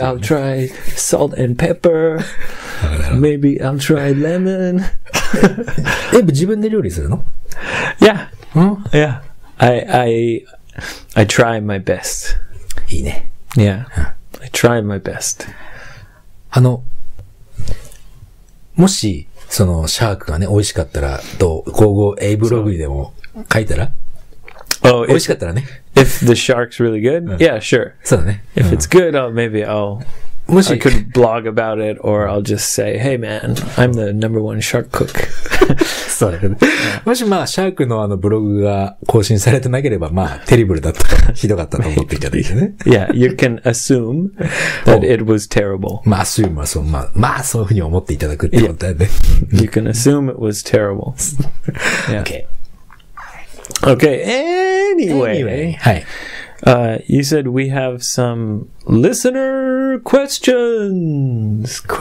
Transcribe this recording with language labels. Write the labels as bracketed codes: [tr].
[en] Maybe I'll try salt and pepper. Maybe I'll try lemon. [ja] え、自分で料理するの？ [en] Yeah. [ja] うん [en] ？Yeah. I try my best. [ja] いいね。 [en] Yeah.、うん、I try my best. [ja] あの、もし、その、シャークがね、美味しかったら、どう、今後、A ブログにでも書いたら、 [en] oh, [ja] 美味しかったらね。 [en] If the shark's really good?、うん、yeah, sure. [ja] そうだね。 [en] If it's good, I could blog about it, or I'll just say, hey man, I'm the number one shark cook. [ja] そうだね。Yeah. もし、まあ、シャークのあのブログが更新されてなければ、まあ、テリブルだったか、ひどかったと思っていただいてね。 [en] yeah, you can assume that it was terrible. [ja] まあ、assume はそう、まあ、そういうふうに思っていただくってことだよね。 [en] you can assume it was terrible. 、 yeah. Okay. Okay, anyway. [ja] はい。 [en] You said we have some listener questions.